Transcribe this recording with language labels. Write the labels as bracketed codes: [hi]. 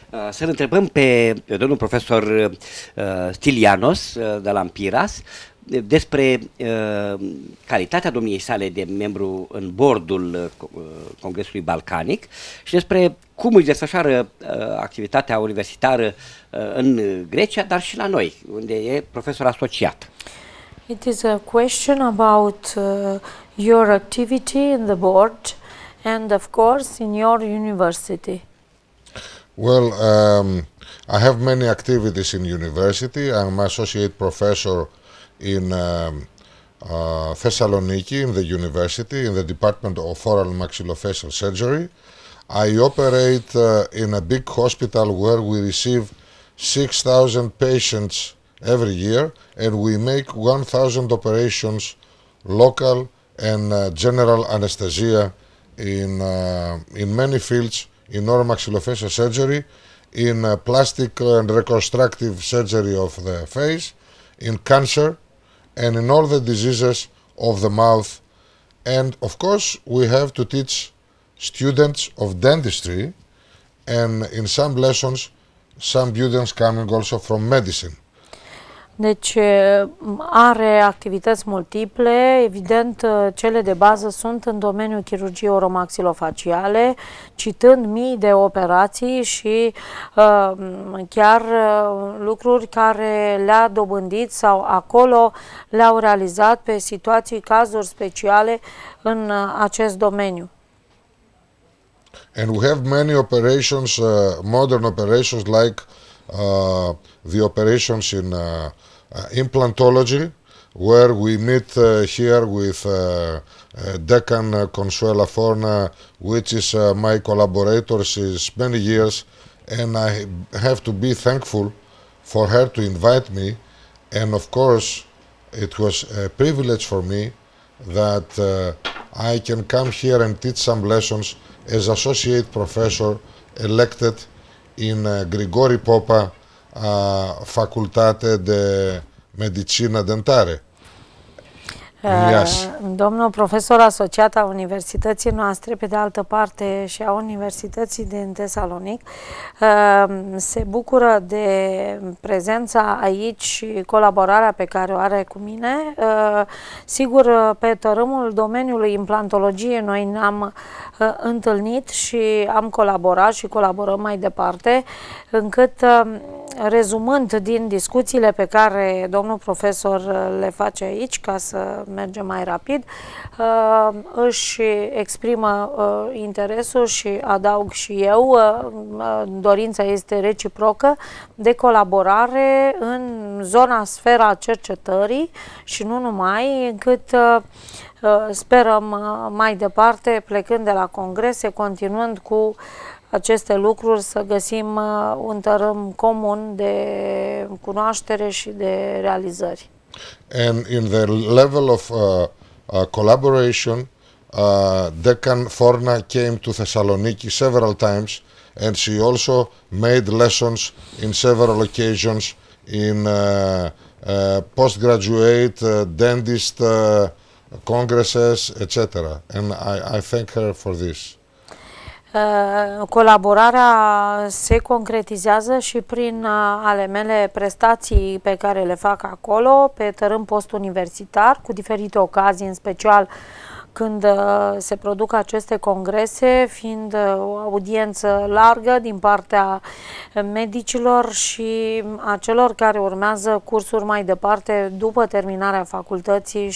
[ro] Să-l întrebăm pe domnul profesor Stilianos de la Lampiras despre calitatea domniei sale de membru în bordul Congresului Balcanic și despre cum își desfășoară activitatea universitară în Grecia, dar și la noi, unde e profesor asociat. [en] It is a question about your activity in the board and of course in your university. Well, I have many activities in university. I'm associate professor in Thessaloniki in the university in the Department of Oral Maxillofacial Surgery. I operate in a big hospital where we receive 6,000 patients every year, and we make 1,000 operations, local and general anesthesia, in many fields in oral maxillofacial surgery, in plastic and reconstructive surgery of the face, in cancer, and in all the diseases of the mouth. And of course, we have to teach students of dentistry, and in some lessons, some students coming also from medicine. [ro] Deci are activități multiple, evident cele de bază sunt în domeniul chirurgiei oromaxilofaciale, citând mii de operații și chiar lucruri care le-a dobândit sau acolo le-au realizat pe situații, cazuri speciale în acest domeniu. [en] And we have many operations, modern operations, like the operations in implantology, where we meet here with Decan Consuela Forna, which is my collaborator since many years, and I have to be thankful for her to invite me. And of course, it was a privilege for me that I can come here and teach some lessons as associate professor elected in Grigori Popa Facultate de Medicină Dentare. [ro] Domnul profesor asociat a universității noastre, pe de altă parte și a universității din Tesalonic, se bucură de prezența aici și colaborarea pe care o are cu mine. Sigur, pe tărâmul domeniului implantologiei noi ne-am întâlnit și am colaborat și colaborăm mai departe, încât rezumând din discuțiile pe care domnul profesor le face aici, ca să mergem mai rapid, își exprimă interesul și adaug și eu, dorința este reciprocă de colaborare în zona, sfera cercetării și nu numai, încât sperăm mai departe, plecând de la congrese, continuând cu aceste lucruri, să găsim un tărâm comun de cunoaștere și de realizări. [en] And in the level of collaboration, Decan Forna came to Thessaloniki several times, and she also made lessons in several occasions in postgraduate dentist congresses, etc. And I thank her for this. [ro] Colaborarea se concretizează și prin ale mele prestații pe care le fac acolo, pe tărâm postuniversitar, cu diferite ocazii, în special când se produc aceste congrese, fiind o audiență largă din partea medicilor și a celor care urmează cursuri mai departe după terminarea facultății.